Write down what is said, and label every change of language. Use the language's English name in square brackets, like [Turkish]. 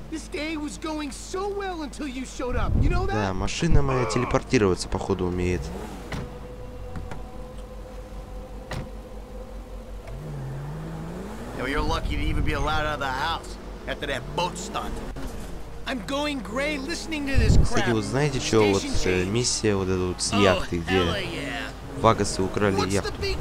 [English] day was going so well until you showed up. You know that? [Russian] Да, машина моя телепортироваться, походу, умеет. [English] Now you're lucky to even be allowed out of the house after that boat stunt. I'm going gray listening to this crap. [Russian] Кстати, вот знаете, что вот миссия вот эта вот с яхты, где Вагасы украли яхту.